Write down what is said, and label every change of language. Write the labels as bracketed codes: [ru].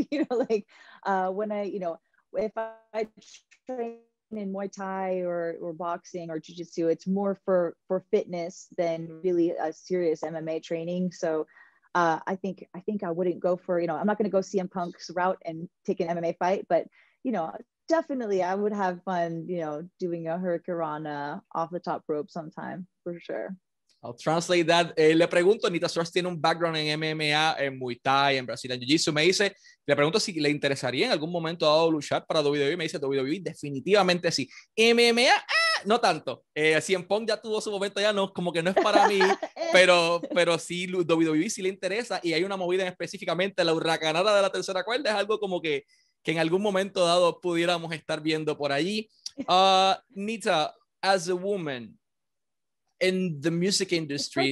[en] You know, like when I, you know, if I train in Muay Thai or boxing or jiu-jitsu, it's more for fitness than really a serious MMA training. So I think I wouldn't go for, you know, I'm not going to go CM Punk's route and take an MMA fight, but, you know, definitely I would have fun, you know, doing a hurricanrana off the top rope sometime, for sure. I'll translate that. [es] Le pregunto, Nita Strauss tiene un background en MMA, en Muay Thai, en Brasil, en Jiu-Jitsu. Me dice, le pregunto si le interesaría en algún momento dado luchar para WWE. Me dice, WWE, definitivamente sí. MMA, no tanto. CM Punk ya tuvo su momento, ya no, como que no es para mí. pero sí, WWE sí le interesa, y hay una movida en específicamente, la huracanada de la tercera cuerda, es algo como que en algún momento dado pudiéramos estar viendo por allí. [en] Nita, as a woman in the music industry,